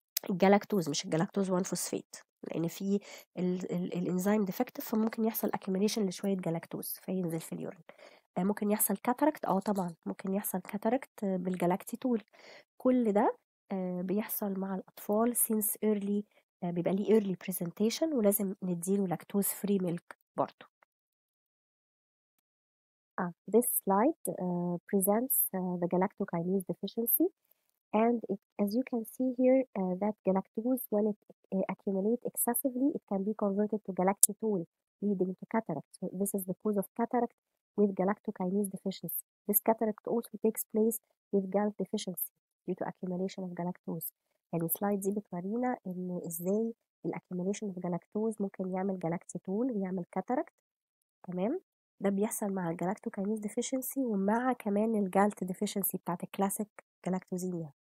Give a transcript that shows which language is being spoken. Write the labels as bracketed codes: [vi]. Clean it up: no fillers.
[ar] الجلاكتوز مش الجلاكتوز 1 phosphate، لأن في الإنزيم ديفكتيف فممكن يحصل accumulation لشوية جلاكتوز فينزل في اليورين. ممكن يحصل كاتاركت، أو طبعا ممكن يحصل كاتاركت بالجلاكتيتول. كل ده بيحصل مع الأطفال since early، بيبقى لي early presentation، ولازم نديله لاكتوز فري ميلك برضو. [en] This slide presents the galactokinase deficiency, and it, as you can see here that galactose when it accumulate excessively it can be converted to galactitol leading to cataract. So this is the cause of cataract with galactokinase deficiency. This cataract also takes place with GALT deficiency due to accumulation of galactose. [ar] يعني slide دي بتورينا ان ازاي الاكيوميليشن اوف جلاكتوز ممكن يعمل جلاكتيتول ويعمل كاتاركت. تمام، ده بيحصل مع الجالاكتوكينيز ديفيشنسي ومع كمان الجالت ديفيشنسي بتاعت الكلاسيك جالاكتوزينيا.